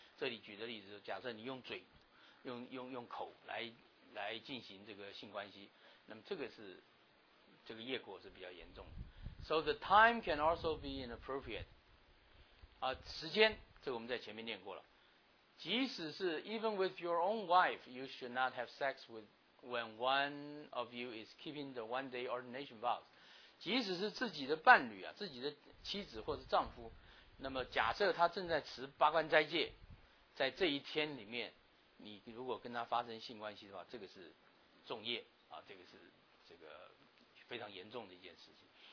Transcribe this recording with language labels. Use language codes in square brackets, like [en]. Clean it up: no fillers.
[zh] 这里举的例子，假设你用嘴，用口来进行这个性关系，那么这个是这个业果是比较严重的。 [en] So the time can also be inappropriate. [zh] 时间，这个我们在前面念过了。即使是 [en] even with your own wife, you should not have sex with when one of you is keeping the one day ordination vows. [zh] 即使是自己的伴侣自己的妻子或是丈夫，那么假设他正在持八关斋戒，在这一天里面你如果跟他发生性关系的话，这个是重业这个是这个非常严重的一件事情。